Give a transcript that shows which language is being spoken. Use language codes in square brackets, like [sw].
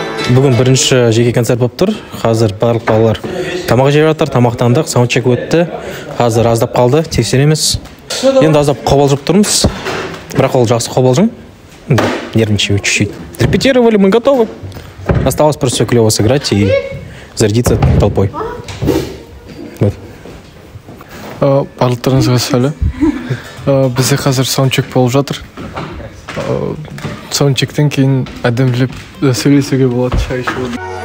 [kk] Бүгін бірінші жеке концерт болып тұр. Қазір барлық балалар тамақ жеп жатыр, тамақтандық, саундчек өтті. Қазір аздап қалды, тексереміз. Енді аздап қобалжып тұрмыз, бірақ ол жақсы қобалжын. [ru] Нервничаю чуть-чуть. Репетировали, мы готовы. Осталось просто все клево сыграть и зарядиться толпой. Вот. [kk] Барлықтарыңызға сәлем. Бізде қазір саундчек болып жатыр. Саундчектен кейін әдемілеп сөйлесуге болады, шай ішіп.